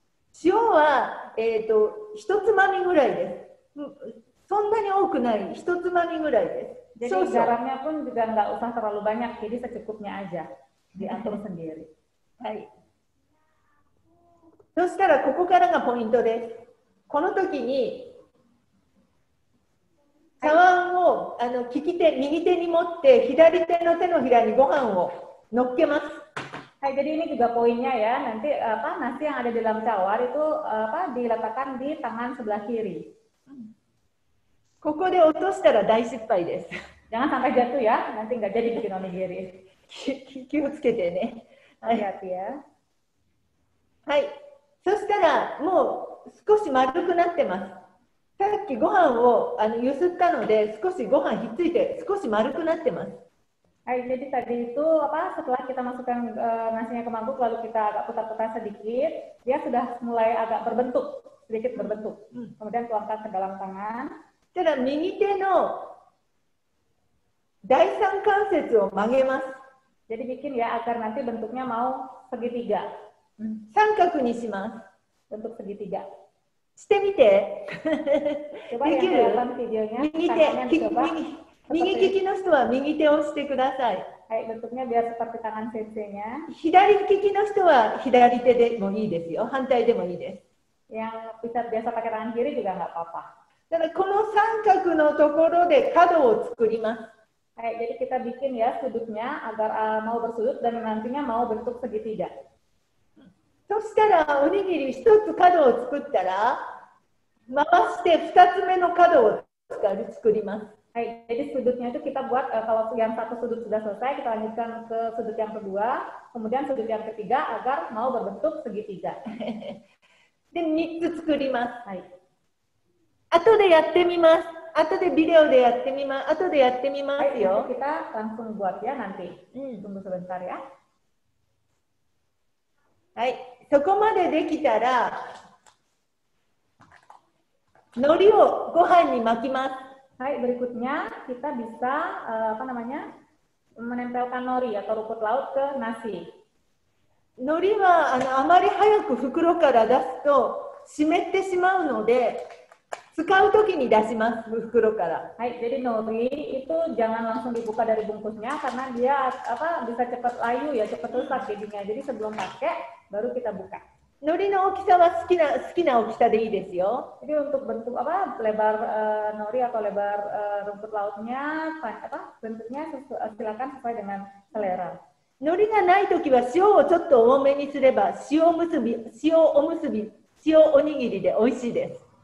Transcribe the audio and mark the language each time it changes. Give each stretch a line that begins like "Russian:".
Japanese: Shio wa hitotsumami gurai desu. そんなに多くない。1つまみぐらいです。
Indonesian: Jadi garamnya pun juga nggak usah terlalu banyak, jadi secukupnya aja diatur sendiri. Baik. Terus sekarang,
Japanese: ここ からが
Indonesian: poinnya deh.
Japanese: この時に茶碗を利き手、右手に持って左手の手のひらにご飯を乗っけます。はい、
Indonesian: jadi ini juga poinnya ya. Nanti apa nasi yang ada di dalam cawar itu apa diletakkan di tangan sebelah kiri.
Japanese: ここで落としたら大失敗です。
Indonesian: Jangan sampai jatuh ya, nanti nggak jadi bikin onigiri.
Japanese: 気をつけてね。ありがとうや。はい。そしたらもう少し丸くなってます。さっきご飯をゆすったので少しご飯ひっついて少し丸くなってます。はい。
Indonesian: jadi tadi itu apa setelah kita masukkan nasinya ke mangkuk lalu kita agak putar-putar sedikit, dia sudah mulai agak berbentuk, sedikit berbentuk. Kemudian tuangkan ke dalam tangan.
Japanese: ただ右手の第三関節を曲げます。
Indonesian: Jadi bikin ya agar nanti bentuknya mau segitiga.
Japanese: 三角にします。
Indonesian: Bentuk segitiga.
Japanese: してみて。
Indonesian: coba
Japanese: できる。右利きの人は右手をしてください。はい、
Indonesian: bentuknya biar seperti tangan sensenya。
Japanese: 左利きの人は左手でもいいですよ。反対でもいいです。
Indonesian: Yang bisa biasa pakai tangan kiri juga nggak apa-apa。
Japanese: ただこの三角のところで角を作ります。はい、
Indonesian: jadi kita bikin ya sudutnya agar mau bersudut dan nantinya mau bentuk segitiga。
Japanese: そしたらおにぎり一つ角を作ったら、回して二つ目の角を作ります。はい、
Indonesian: jadi sudutnya itu kita buat kalau yang satu sudut sudah selesai kita lanjutkan ke sudut yang kedua, kemudian sudut yang ketiga agar mau berbentuk segitiga。
Japanese: で三つ作ります。はい。後でやってみます。後でビデオでやってみます。後でやってみますよ。はい、
Indonesian: kita langsung buat ya nanti. Tunggu sebentar ya.
Japanese: はい、そこまでできたら、海苔をご飯に巻きます。はい、
Indonesian: berikutnya kita bisa apa namanya menempelkan nori atau rumput laut ke nasi.
Japanese: 海苔はあまり早く袋から出すと湿ってしまうので。使うときに出します袋から。はい、
Indonesian: jadi nori itu jangan langsung dibuka dari bungkusnya karena dia apa bisa cepat layu ya cepat rusak jadinya. Jadi sebelum pakai baru kita buka.
Japanese: Nori の大きさは好きな大きさでいいですよ。
Indonesian: Jadi untuk bentuk apa lebar nori atau lebar rumput lautnya apa bentuknya silakan sesuai dengan selera.
Japanese: Nori がないときは塩をちょっと多めにすれば塩おにぎりで美味しいです。